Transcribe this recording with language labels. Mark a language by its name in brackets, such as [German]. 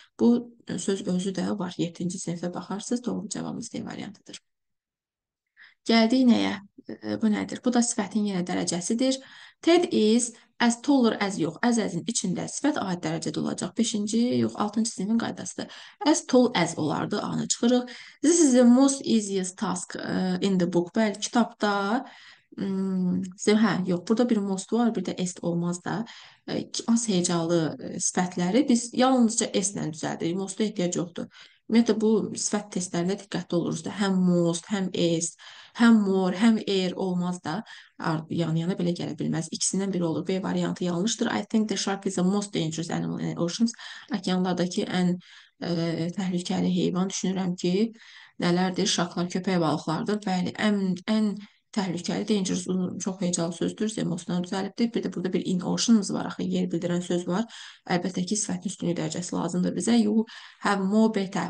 [Azerbaijani] Bu söz özü də var. 7-ci sinifdə baxarsınız, doğru cavabımız D variantıdır. Gəldik nəyə? Bu nədir? Bu da sifətin yenə dərəcəsidir. Ted is as taller as, yox, as-azin içində sifət aid dərəcədə olacaq. 5-ci, yox, 6-cı sinifin qaydasıdır. As tall as olardı, A-nı çıxırıq. [English] This is the most easiest task in the book. [Azerbaijani] Bəli, kitabda hə, yox, burada bir most var, bir də est olmaz da. Az hecalı sifətləri biz yalnızca est-lə düzəldirik. Mostu ehtiyac yoxdur. Ümumiyyətlə, bu sifət testlərində diqqətli oluruz da. Həm most, həm est, həm more, həm air olmaz da. Yan-yana belə gələ bilməz. İkisindən biri olur. B variantı yanlışdır. [English] I think the shark is the most dangerous animal in the oceans. [Azerbaijani] Okeanlardakı ən təhlükəli heyvan. Düşünürəm ki, nələrdir? Şarklar, köpək balıqlardır. Bəli, ən təhlükəli, dangerous, çox hecalı sözdür. Zemosuna düzəlibdir. Bir də burada bir in oceans var, axı yer bildirən söz var. Əlbəttə ki, sifətin üstünlük dərəcəsi lazımdır bizə. You have more beta.